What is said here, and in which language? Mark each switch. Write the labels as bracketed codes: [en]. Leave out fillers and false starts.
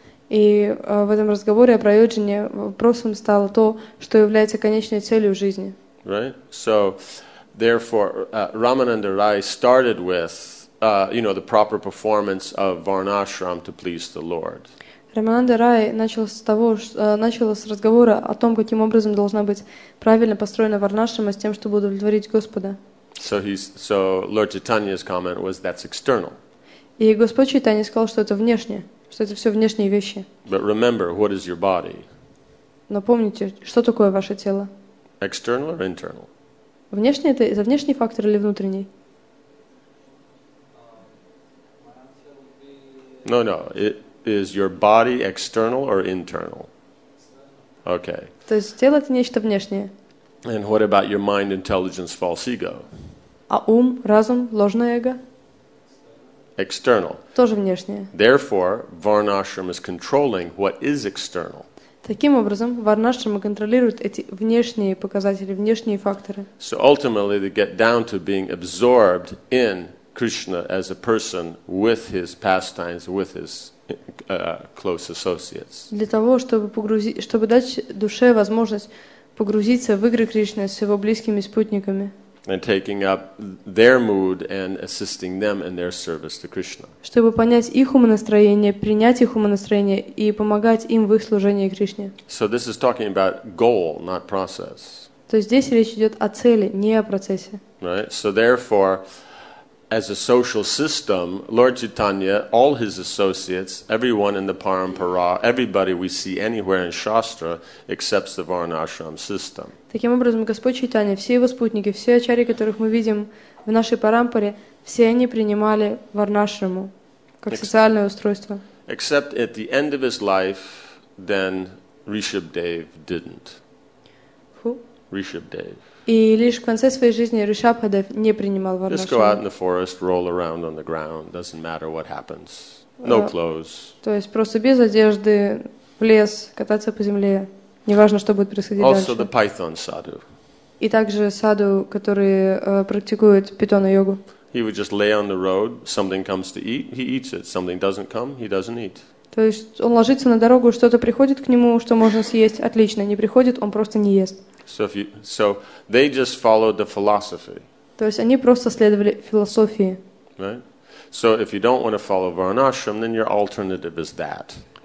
[ru] И в этом разговоре о прайоджане вопросом стало то, что является конечной целью жизни. [en] Right. So therefore, Ramananda Rai started with, you know, the proper performance of Varnashram to please the Lord. [ru] Рамананда Рай начал с разговора о том, каким образом должна быть правильно построена Варнашрама с тем, чтобы удовлетворить Господа. [en] So Lord Chaitanya's comment was, that's external. [ru] И Господь Чайтанья сказал, что это внешнее, что это все внешние вещи. [en] But remember, what is your body? [ru] Но помните, что такое ваше тело? [en] External or internal? [ru] Внешний – это внешний фактор или внутренний? [en] No. Is your body external or internal? Okay. [ru] То есть тело это нечто внешнее. [en] And what about your mind, intelligence, false ego? [ru] А ум, разум, ложное эго? [en] External. [ru] Тоже внешнее. [en] Therefore, Varnashram is controlling what is external. [ru] Таким образом, Варнашрама контролирует эти внешние показатели, внешние факторы. [en] So ultimately, they get down to being absorbed in Krishna as a person with his pastimes, with his close associates. [ru] Для того, чтобы дать душе возможность погрузиться в игры Кришны с его близкими спутниками. [en] And taking up their mood and assisting them in their service to Krishna. [ru] Чтобы понять их умонастроение, принять их умонастроение и помогать им в их служении Кришне. [en] So this is talking about goal, not process. [ru] То есть здесь речь идет о цели, не о процессе. [en] Right? So therefore, as a social system, Lord Chaitanya, all his associates, everyone in the parampara, everybody we see anywhere in Shastra accepts the Varnashram system. [ru] Таким образом, Господь Чайтанья, все его спутники, все ачарьи, которых мы видим в нашей парампаре, все они принимали Варнашраму как социальное устройство. [en] Except at the end of his life, then Rishabdev didn't. Rishabdev. [ru] И лишь в конце своей жизни Ришабхадев не принимал варнашрам. [en] Just go out in the forest, roll around on the ground. Doesn't matter what happens. No clothes. [ru] То есть просто без одежды в лес кататься по земле. Неважно, что будет происходить [en] also [ru] дальше. [en] Also the python sadhu. [ru] И также саду, который практикует питона йогу. [en] He would just lay on the road. Something comes to eat, he eats it. Something doesn't come, he doesn't eat. [ru] То есть он ложится на дорогу, что-то приходит к нему, что можно съесть. Отлично, не приходит, он просто не ест. [en] So they just followed the philosophy. [ru] То есть они просто следовали философии. [en] Right? So if you don't want to follow Varnashram, then your alternative is that.